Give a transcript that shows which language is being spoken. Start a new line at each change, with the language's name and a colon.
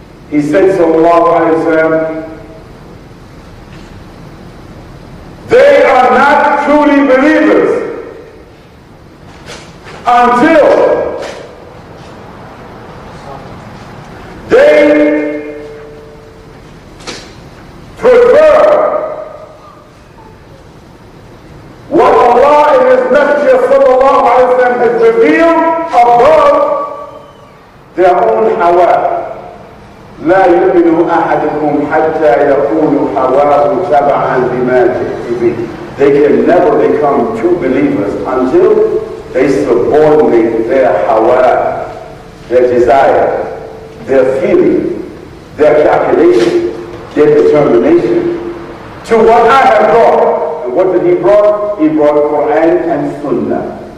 English: He said, sallallahu alayhi wa sallam, they are not truly believers until they prefer what Allah and His Messenger sallallahu alayhi wa sallam has revealed above their own hawa.
Arabic: لا يؤمن أحدكم حتى يكون حواه تبعا لما جئت به.
English: They can never become true believers until they subordinate their hawa, their desire, their feeling, their calculation, their determination to what I have brought. And what did he brought? He brought Quran and Sunnah.